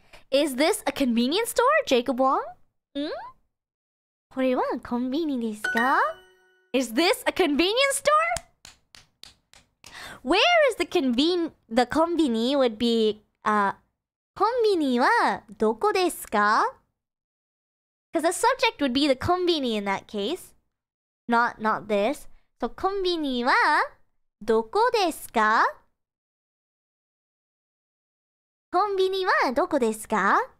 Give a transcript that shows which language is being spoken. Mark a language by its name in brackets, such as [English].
[English] Is this a convenience store, Jacob Wong? [Japanese] これはコンビニですか? [English] Is this a convenience store? Where is the convenience would be... [Japanese] コンビニはどこですか? [English] Because the subject would be the convenience in that case. Not this. [Japanese] So, コンビニはどこですか? コンビニはどこですか?